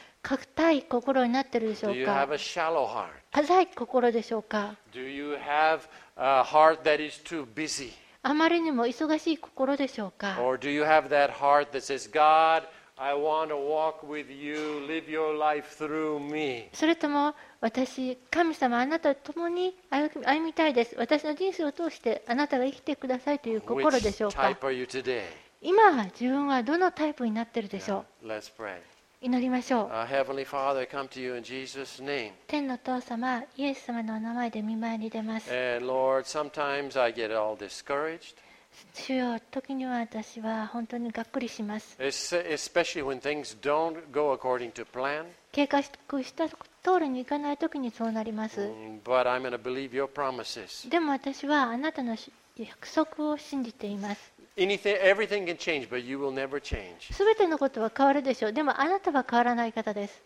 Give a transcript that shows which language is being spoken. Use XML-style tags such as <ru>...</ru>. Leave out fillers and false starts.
<ja>硬い心になってるでしょうか？硬い心でしょうか？</ja> <en>Do you have a heart that is too busy?</en> <ja>あまりにも忙しい心でしょうか。</ja> <en>Or do you have that heart that says, God, I want to walk with you, live your life through me?</en> <ja>それとも私、神様、あなたと共に歩みたいです。私の人生を通してあなたが生きてくださいという心でしょうか。</ja> <en>Which type are you today?</en> <ja>今自分はどのタイプになっているでしょう。</ja> <en>Yeah, let's pray.</en> <ja>祈りましょう。</ja> <en>Heavenly Father, I come to you in Jesus' name.</en> <ja>天の父様、イエス様の名前で御前に出ます。</ja> <en>Lord, sometimes I get all discouraged.</en> <ja>主よ、時には私は本当にがっくりします。</ja> <en>Especially when things don't go according to plan.</en> <ja>計画した通りにいかない時にそうなります。</ja> <en>But I'm going to believe your promises.</en> <ja>でも私はあなたの約束を信じています。</ja> <en>Everything can change, but you will never change.</en> <ja>全てのことは変わるでしょう。でもあなたは変わらない方です。</ja>